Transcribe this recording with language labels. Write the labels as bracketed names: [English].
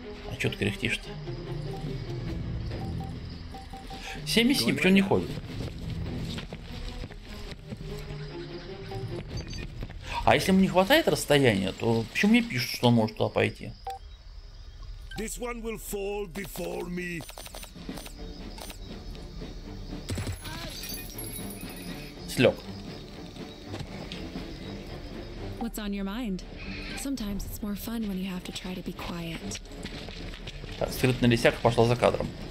[Russian] А чё ты кряхтишь-то? 7-7, почему не ходит? А если ему не хватает расстояния, то почему мне пишут, что он может туда пойти? [English] This one will fall before me. [Russian] Слег. [English] What's on your mind? Sometimes it's more fun when you have to try to be quiet. [Russian] Так, скрытная лисяка пошла за кадром.